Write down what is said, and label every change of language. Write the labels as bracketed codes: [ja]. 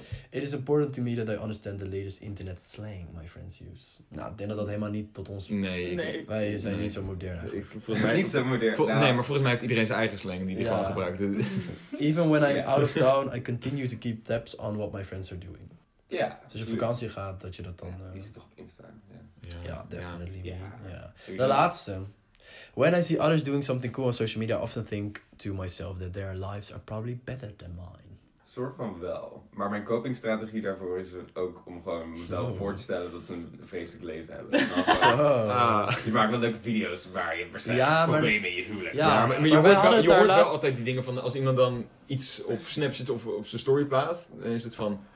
[en] It is important to me that I understand the latest internet slang my friends use. [nl] Nou, ik denk dat helemaal niet tot ons... Nee. Wij zijn niet zo modern eigenlijk. Nee, niet zo modern. Nee, maar volgens mij heeft iedereen zijn eigen slang die hij gewoon gebruikt. [en] Even when I'm out of town, I continue to keep tabs on what my friends are doing. [nl] Ja. Dus als je op vakantie gaat, dat je dat dan... Die zit toch op Instagram, ja. Ja, definitely. Ja. De laatste... [en] When I see others doing something cool on social media, I often think to myself that their lives are probably better than mine. [nl] Soort van wel. Maar mijn copingstrategie daarvoor is ook om gewoon mezelf voor te stellen dat ze een vreselijk leven hebben. Zo. Je maakt wel leuke video's waar je waarschijnlijk problemen in je huwelijk. Ja, maar je hoort wel altijd die dingen van als iemand dan iets op Snapchat of op zijn story plaatst, dan is het van...